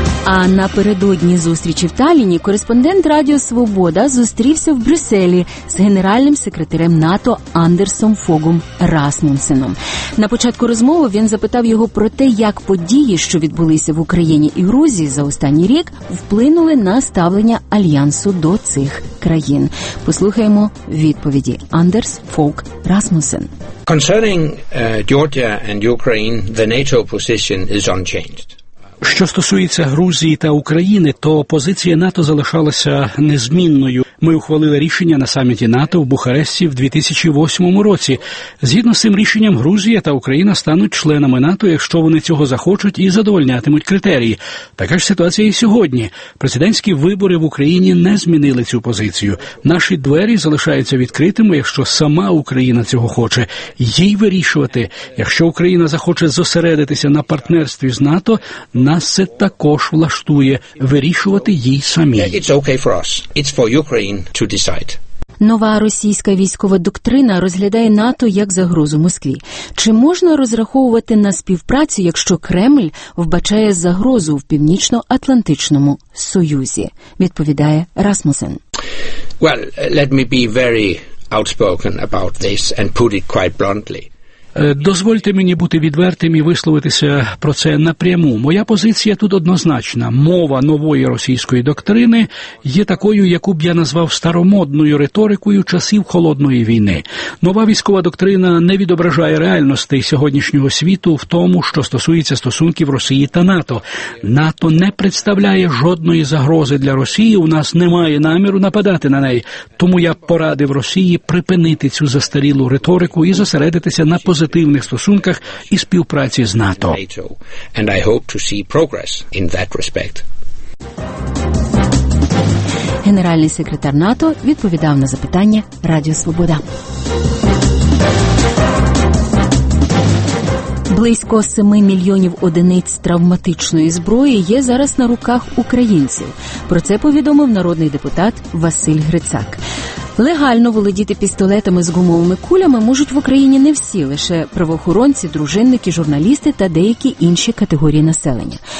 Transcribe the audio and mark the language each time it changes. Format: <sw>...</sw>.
<uk>А напередодні зустрічі в Талліні кореспондент Радіо Свобода зустрівся в Брюсселі з генеральним секретарем НАТО Андерсом Фогом Расмунсеном. На початку розмови він запитав його про те, як події, що відбулися в Україні і Грузії за останній рік, вплинули на ставлення Альянсу до цих країн. Послухаємо відповіді. Андерс Фог Расмунсен.</uk> <en>Concerning Georgia and Ukraine, the NATO position is unchanged.</en> <uk>Що стосується Грузії та України, то позиція НАТО залишалася незмінною. Ми ухвалили рішення на саміті НАТО в Бухаресті в 2008 році. Згідно з цим рішенням, Грузія та Україна стануть членами НАТО, якщо вони цього захочуть і задовольнятимуть критерії. Така ж ситуація і сьогодні. Президентські вибори в Україні не змінили цю позицію. Наші двері залишаються відкритими, якщо сама Україна цього хоче. Їй вирішувати, якщо Україна захоче зосередитися на партнерстві з НАТО, нас це також влаштує вирішувати їй самі.</uk> <en>It's okay for us. It's for Ukraine to decide.</en> <uk>Нова російська військова доктрина розглядає НАТО як загрозу Москві. Чи можна розраховувати на співпрацю, якщо Кремль вбачає загрозу в Північно-Атлантичному Союзі? Відповідає Расмусен.</uk> <en>Well, let me be very outspoken about this and put it quite bluntly.</en> <uk>Дозвольте мені бути відвертим і висловитися про це напряму. Моя позиція тут однозначна. Мова нової російської доктрини є такою, яку б я назвав старомодною риторикою часів Холодної війни. Нова військова доктрина не відображає реальностей сьогоднішнього світу в тому, що стосується стосунків Росії та НАТО. НАТО не представляє жодної загрози для Росії, у нас немає наміру нападати на неї. Тому я порадив Росії припинити цю застарілу риторику і зосередитися на позитивних стосунках і співпраці з НАТО.</uk> <en>And I hope to see progress in that respect.</en> <uk>Генеральний секретар НАТО відповідав на запитання Радіо Свобода. Близько 7 мільйонів одиниць травматичної зброї є зараз на руках українців. Про це повідомив народний депутат Василь Грицак. Легально володіти пістолетами з гумовими кулями можуть в Україні не всі, лише правоохоронці, дружинники, журналісти та деякі інші категорії населення.</uk>